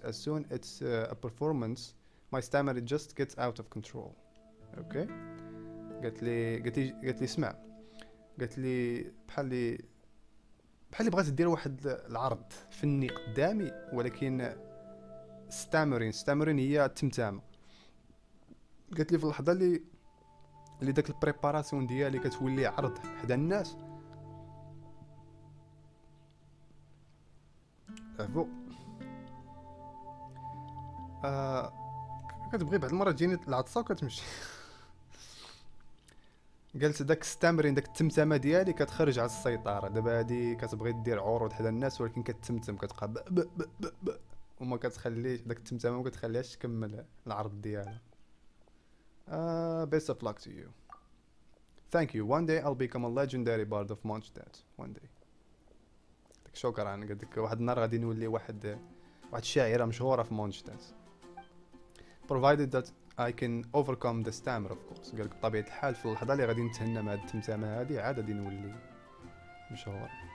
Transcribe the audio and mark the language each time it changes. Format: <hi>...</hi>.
<en>As soon as it's a performance, my stammer just gets out of control.</en> <ar>Okay. قالت لي اسمع. قالت لي بحال اللي بغات دير واحد العرض فني قدامي، ولكن stammering هي التمتامة. قالت لي في اللحظة اللي داك البريباراسيون ديالي كتولي عرض حدا الناس، عفوا كتبغي بعض المرات تجيني العطسة وكتمشي. قالت داك ستامرين، داك التمتمة ديالي كتخرج على السيطرة. دابا هادي كتبغي دير عروض حدا الناس، ولكن كتمتم كتبقى ب ب ب ب ب وما كتخليش داك التمتمة ما كتخليهاش تكمل العرض ديالها.</ar> <en>Best of luck to you. Thank you. One day I'll become a legendary bard of Mondstadt. One day.</en> <ar>شكرا. قلت لك واحد النهار غادي نولي واحد شاعرة مشهورة في Mondstadt.</ar> <en>Provided that I can overcome the stammer of course.</en> <ar>قلت لك بطبيعة الحال في اللحظة اللي غادي نتهنى مع هاد التمتامة هادي عاد غادي نولي مشهور.</ar>